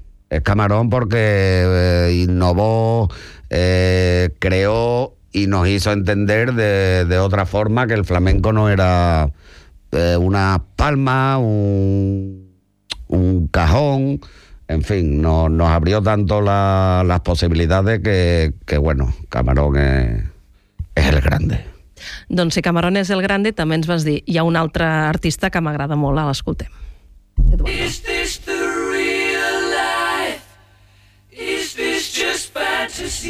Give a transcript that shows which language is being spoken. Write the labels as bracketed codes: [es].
[es] Es Camarón porque innovó, creó y nos hizo entender de otra forma que el flamenco no era una palma, un cajón, en fin, nos abrió tanto las posibilidades que bueno, Camarón es el grande. [ca] Doncs si Camarón és [es] el grande, [ca] també ens vas dir, hi ha un altre artista que m'agrada molt, l'escoltem. [en] Is this the real life? Is this just fantasy?